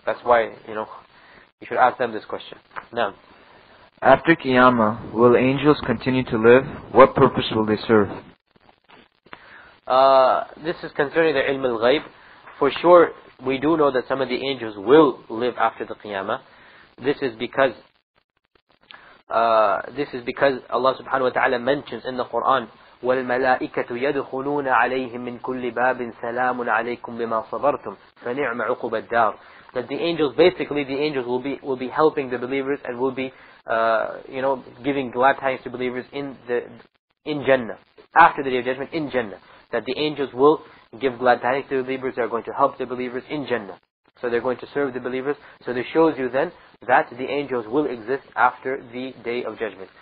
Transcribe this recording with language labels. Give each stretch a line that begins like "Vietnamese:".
English: That's why, you know, you should ask them this question. Now, after Qiyamah, will angels continue to live? What purpose will they serve? This is concerning the ilm al-ghayb. For sure, we do know that some of the angels will live after the Qiyamah. This is because Allah subhanahu wa ta'ala mentions in the Quran,
Arabic: وَالْمَلَائِكَةُ يَدْخُلُونَ عَلَيْهِمْ مِنْ كُلِّ بَابٍ سَلَامٌ عَلَيْكُمْ بِمَا صَبَرْتُمْ فَنِعْمَ عُقُبَ الدَّارِ.
English: That the angels, basically the angels will be helping the believers and will be, you know, giving glad tidings to believers in Jannah. After the Day of Judgment, in Jannah. That the angels will give glad tidings to believers, they are going to help the believers in Jannah. So they're going to serve the believers. So this shows you then that the angels will exist after the Day of Judgment.